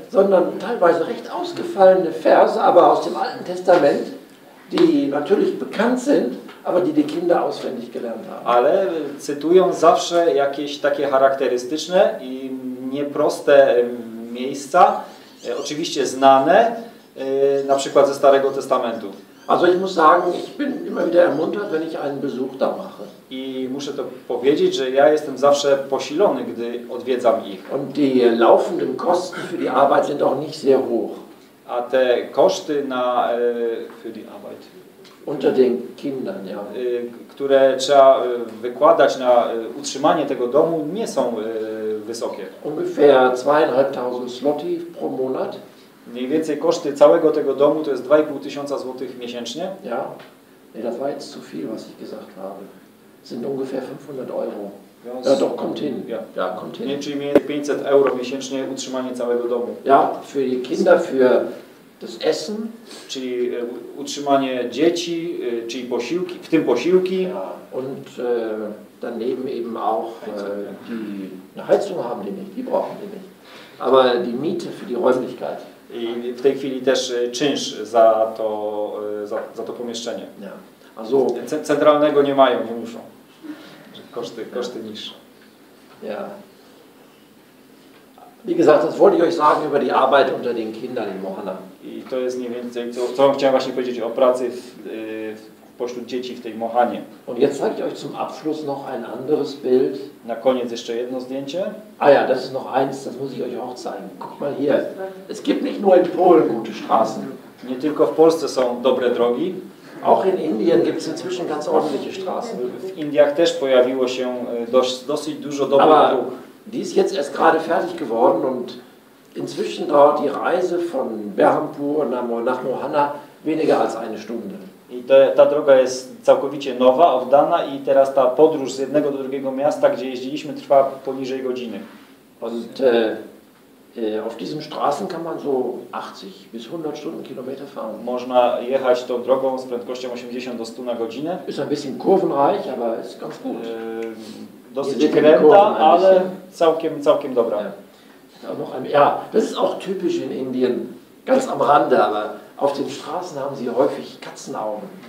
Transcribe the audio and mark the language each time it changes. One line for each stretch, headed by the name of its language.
German: sondern teilweise recht ausgefallene Verse, aber aus dem Alten Testament, die natürlich bekannt sind, aber die Kinder auswendig gelernt haben.
Polish: Ale cytują zawsze jakieś takie charakterystyczne i nieproste miejsca, oczywiście znane, na przykład ze Starego Testamentu.
German: Also ich muss sagen, ich bin immer wieder ermuntert, wenn ich einen Besuch da mache.
Polish: I muszę to powiedzieć, że ja jestem zawsze posilony, gdy odwiedzam ich.
German: Und die laufenden Kosten für die Arbeit sind auch nicht sehr hoch.
Polish: A te koszty na
German: für die Arbeit unter den Kindern, ja.
Polish: Które trzeba wykładać na utrzymanie tego domu, nie są wysokie.
German: Ungefähr 2500 zloty pro Monat.
Polish: Mniej więcej koszty całego tego domu to jest 2500 zł miesięcznie.
German: Ja. Nee, das war jetzt zu viel, was ich gesagt habe. Sind ungefähr 500 euro. Ja, doch, kommt hin. Ja, kommt hin.
Polish: Czyli mniej więcej 500 euro miesięcznie utrzymanie całego domu.
German: Ja, für die Kinder, für das Essen.
Polish: Czyli utrzymanie dzieci, czyli posiłki, w tym posiłki.
German: Ja, und daneben eben auch die Heizung haben die nicht, die brauchen die nicht. Aber die Miete für die Räumlichkeit.
Polish: I w tej chwili też czynsz za to pomieszczenie. Yeah. Also, centralnego nie mają, nie muszą. Koszty niższe. Yeah.
German: Wie gesagt, das wollte ich euch sagen über die Arbeit unter den Kindern in Mohana.
Polish: I to jest mniej więcej, co chciałem właśnie powiedzieć o pracy pośród dzieci w tej Mohanie.
German: Und jetzt zeige ich euch zum Abschluss noch ein anderes Bild.
Polish: Na koniec jeszcze jedno zdjęcie.
German: Ah ja, das ist noch eins, das muss ich euch auch zeigen. Guck mal hier. Es gibt nicht nur in Polen gute Straßen.
Polish: Nie tylko w Polsce są dobre drogi.
German: Auch in Indien gibt es inzwischen ganz ordentliche Straßen.
Polish: W Indiach też pojawiło się dosyć dużo dobrych dróg.
German: Die ist jetzt erst gerade fertig geworden und inzwischen dauert die Reise von Berhampur nach Mohana weniger als eine Stunde.
Polish: I ta droga jest całkowicie nowa, oddana i teraz ta podróż z jednego do drugiego miasta, gdzie jeździliśmy, trwa poniżej godziny.
German: Und, Auf diesen Straßen kann man so 80 bis 100 Stundenkilometer fahren.
Polish: Można jechać tą drogą z prędkością 80 do 100 na godzinę.
German: Ist ein bisschen kurvenreich, aber ist ganz gut.
Polish: Dosyć kręta, ale całkiem dobra.
German: Ja, das ist auch typisch in Indien, ganz am Rande, aber auf den Straßen haben sie häufig Katzenaugen.